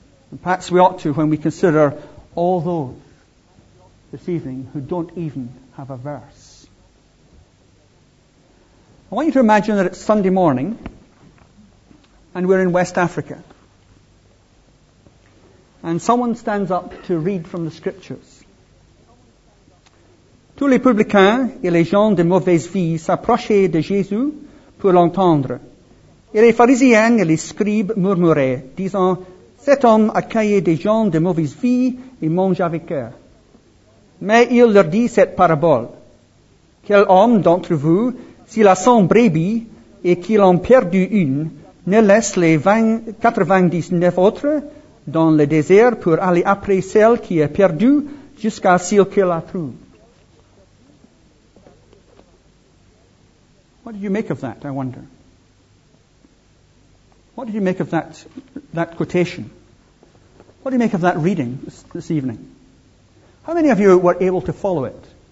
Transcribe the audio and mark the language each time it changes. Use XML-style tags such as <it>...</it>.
<en>And perhaps we ought to when we consider all those this evening who don't even have a verse. I want you to imagine that it's Sunday morning and we're in West Africa. And someone stands up to read from the scriptures.</en> <fr>Tous les publicains et les gens de mauvaise vie s'approchaient de Jésus pour l'entendre. Et les pharisiens et les scribes murmuraient, disant, cet homme accueille des gens de mauvaise vie et mange avec eux. Mais il leur dit cette parabole. Quel homme d'entre vous, s'il a 100 brebis et qu'il en perdu une, ne laisse les 99 autres dans le désert pour aller après celle qui est perdue jusqu'à ce qu'il la trouve.</fr> <en>What did you make of that, I wonder? What did you make of that quotation? What do you make of that reading this evening? How many of you were able to follow it?</en>